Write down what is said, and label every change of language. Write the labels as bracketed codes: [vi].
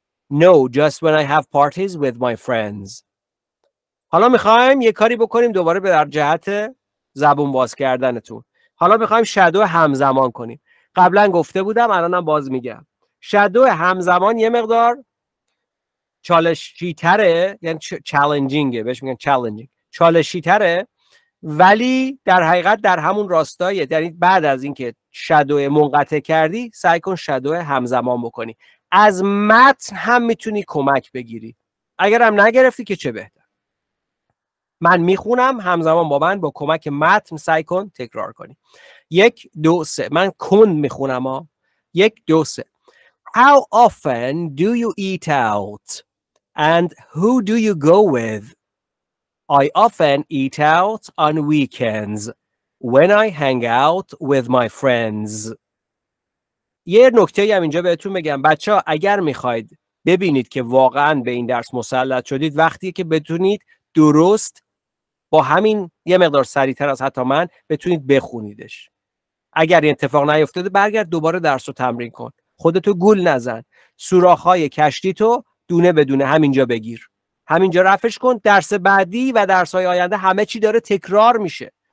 [en] No, just when I have parties with my friends. [fa] حالا میخوایم یه کاری بکنیم دوباره به در جهت زبون باز کردنتون. حالا میخوایم شادو همزمان کنیم. قبلا گفته بودم، الانم باز میگم. شادو همزمان یه مقدار چالشی تره، یعنی چالنجینگه، بهش میگن چالنجینگ. چالشی تره، ولی در حقیقت در همون راستای، یعنی بعد از اینکه شادو منقطع کردی، سعی کن شادو همزمان بکنی. از متن هم میتونی کمک بگیری. اگرم نگرفتی که چه بهتر. من میخونم، همزمان با من با کمک متن سعی کن تکرار کنی. 1 2 3 من کند میخونم ها. 1 2 3 [en] How often do you eat out? And who do you go with? I often eat out on weekends when I hang out with my friends. [fa] یه نکته‌ای هم اینجا بهتون میگم بچه‌ها، اگر میخواید ببینید که واقعاً به این درس مسلط شدید، وقتی که بتونید درست با همین یه مقدار سریع‌تر از حتی من بتونید بخونیدش. اگر این اتفاق نیفتاده برگرد دوباره درس رو تمرین کن، خودتو گول نزن، سوراخ‌های کشتی تو دونه به دونه همینجا بگیر، همینجا رفش کن، درس بعدی و درس‌های آینده همه چی داره تکرار میشه.